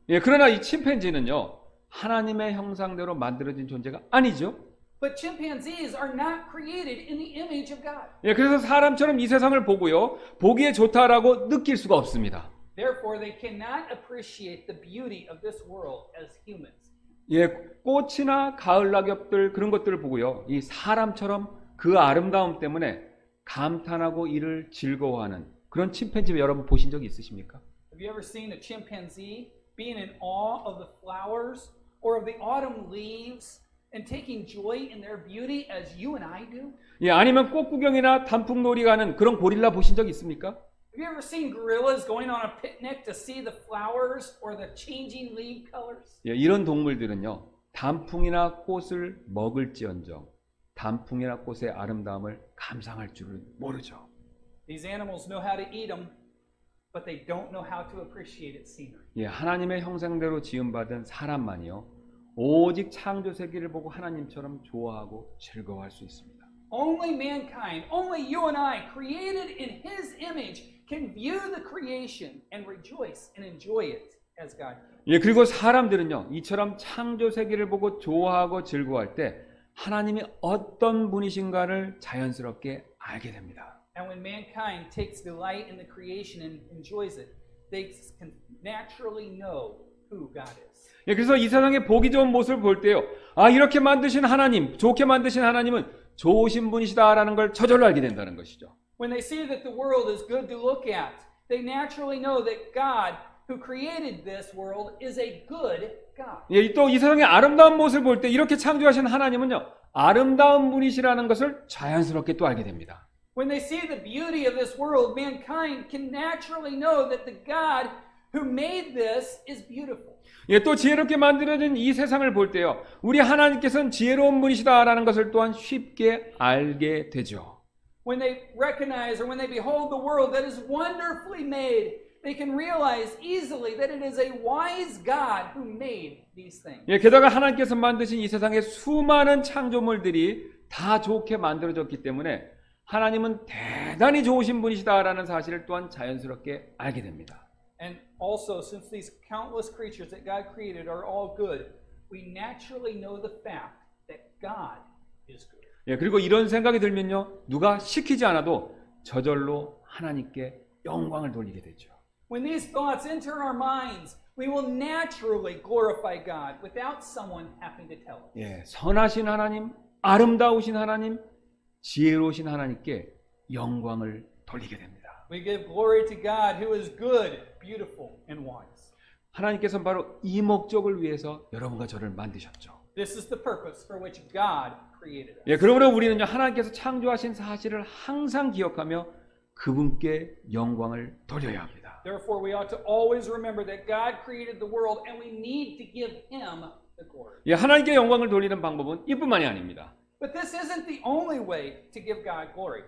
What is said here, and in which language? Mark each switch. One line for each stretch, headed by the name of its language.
Korean: 예, 그러나 이 침팬지는요. 하나님의 형상대로 만들어진 존재가 아니죠.
English: But chimpanzees are not created in the image of God.
Korean: 예, 그래서 사람처럼 이 세상을 보고요. 보기에 좋다라고 느낄 수가 없습니다.
English: Therefore they cannot appreciate the beauty of this world as humans.
Korean: 예, 꽃이나 가을 낙엽들 그런 것들을 보고요. 이 사람처럼 그 아름다움 때문에 감탄하고 이를 즐거워하는 그런 침팬지 여러분 보신 적 있으십니까?
English: Have you ever seen a chimpanzee being in awe of the flowers or of the autumn leaves and taking joy in their beauty as you and I do?
Korean: 예, 아니면 꽃구경이나 단풍놀이 가는 그런 고릴라 보신 적 있습니까?
English: Have you ever seen gorillas going on a picnic to see the flowers or the changing leaf colors?
Korean: 예, 이런 동물들은요. 단풍이나 꽃을 먹을지언정 단풍이나 꽃의 아름다움을 감상할 줄은 모르죠.
English: These animals know how to eat them, but they don't know how to appreciate its scenery.
Korean: 예, 하나님의 형상대로 지음 받은 사람만이요. 오직 창조 세계를 보고 하나님처럼 좋아하고 즐거워할 수 있습니다.
English: Only mankind, only you and I created in his image can view the creation and rejoice and enjoy it as God.
Korean: 예, 그리고 사람들은요. 이처럼 창조 세계를 보고 좋아하고 즐거워할 때 하나님이 어떤 분이신가를 자연스럽게 알게 됩니다.
English: And when mankind takes delight in the creation and enjoys it, they can naturally know who God is.
Korean: 예, 그래서 이 세상의 보기 좋은 모습을 볼 때요. 아, 이렇게 만드신 하나님, 좋게 만드신 하나님은 좋으신 분이시다라는 걸 저절로 알게 된다는 것이죠.
English: When they see that the world is good to look at, they naturally know that God who created this world is a good God.
Korean: 예, 또 이 세상의 아름다운 모습을 볼 때 이렇게 창조하신 하나님은요. 아름다운 분이시라는 것을 자연스럽게 또 알게 됩니다.
English: When they see the beauty of this world, mankind can naturally know that the God who made this is beautiful.
Korean: 예, 또 지혜롭게 만들어진 이 세상을 볼 때요. 우리 하나님께서는 지혜로운 분이시다라는 것을 또한 쉽게 알게 되죠.
English: When they recognize or when they behold the world that is wonderfully made, they can realize easily that it is a wise God who made these things.
Korean: 예, 게다가 하나님께서 만드신 이 세상의 수많은 창조물들이 다 좋게 만들어졌기 때문에 하나님은 대단히 좋으신 분이시다라는 사실을 또한 자연스럽게 알게 됩니다.
English: And also, since these countless creatures that God created are all good, we naturally know the fact that God is good.
Korean: 예, 그리고 이런 생각이 들면요, 누가 시키지 않아도 저절로 하나님께 영광을 돌리게 되죠.
English: When these thoughts enter our minds, we will naturally glorify God without someone having to tell us.
Korean: 예, 선하신 하나님, 아름다우신 하나님, 지혜로우신 하나님께 영광을 돌리게 됩니다.
English: We give glory to God who is good, beautiful, and wise.
Korean: 하나님께서는 바로 이 목적을 위해서 여러분과 저를 만드셨죠.
English: This is the purpose for which God created us.
Korean: 예, 그러므로 우리는요, 하나님께서 창조하신 사실을 항상 기억하며 그분께 영광을 돌려야 합니다.
English: Therefore, we ought to always remember that God created the world, and we need to give Him the glory.
Korean: 예, 하나님께 영광을 돌리는 방법은 이뿐만이 아닙니다.
English: But this isn't the only way to give God glory.